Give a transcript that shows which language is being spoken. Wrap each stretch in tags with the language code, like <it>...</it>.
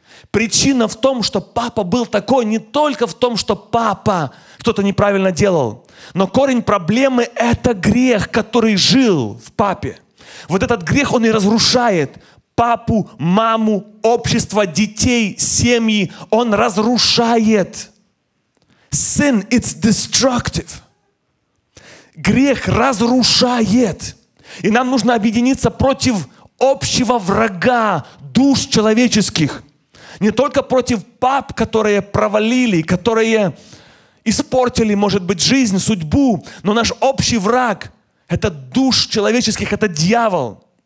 <ru>Причина в том, что папа был такой, не только в том, что папа что-то неправильно делал. Но корень проблемы – это грех, который жил в папе. Вот этот грех, он и разрушает папу, маму, общество, детей, семьи. Он разрушает.</ru> <en>Sin, it's destructive.</en> <ru>грех разрушает. И нам нужно объединиться против общего врага душ человеческих. Не только против пап, которые провалили, которые испортили, может быть, жизнь, судьбу, но наш общий враг – это душ человеческих, это дьявол.</ru>